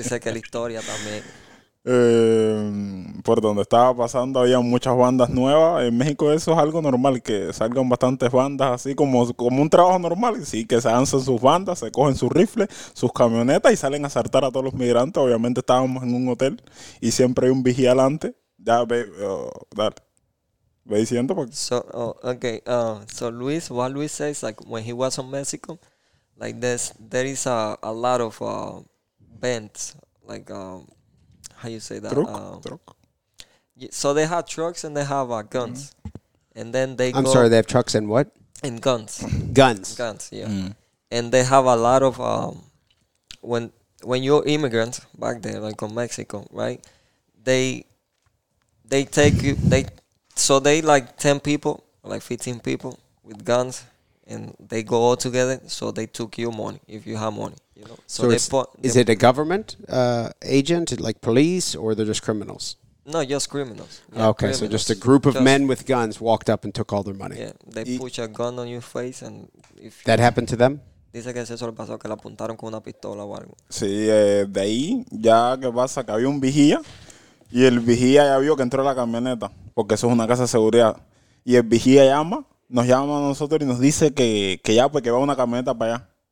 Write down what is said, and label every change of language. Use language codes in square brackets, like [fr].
[es] Dice que la historia también. Por donde estaba pasando había muchas bandas nuevas. En México eso es algo normal, que salgan bastantes bandas así como un trabajo normal. Sí, que se lanzan sus bandas, se cogen sus rifles, sus camionetas y salen a asaltar a todos los migrantes. Obviamente estábamos en un hotel y siempre hay un vigilante. Ya ve, dale. Ve diciendo porque... [en] So Luis, what Luis says, like when he was in Mexico, like there is a lot of bands, like... How you say that? Truck. So they have trucks and they have guns. Mm. And then they I'm sorry, they have trucks and what? And guns. Guns. Guns, yeah. Mm. And they have a lot of... When you're immigrants back there, like in Mexico, right? They take you... So they like 10 people, like 15 people with guns. And they go all together. So they took your money, if you have money. You know? Is it a government agent, like police, or they're just criminals? No, just criminals. Yeah, okay, criminals. So just a group of men with guns walked up and took all their money. Yeah, they push a gun on your face, and if that happened to them? [es] Dice que eso le pasó, que la apuntaron con una pistola o algo. Sí, de ahí ya que pasa que había un vigía y el vigía ya vio que entró la camioneta porque eso es una casa de seguridad y el vigía llama, nos llama a nosotros y nos dice que ya pues que va una camioneta para allá.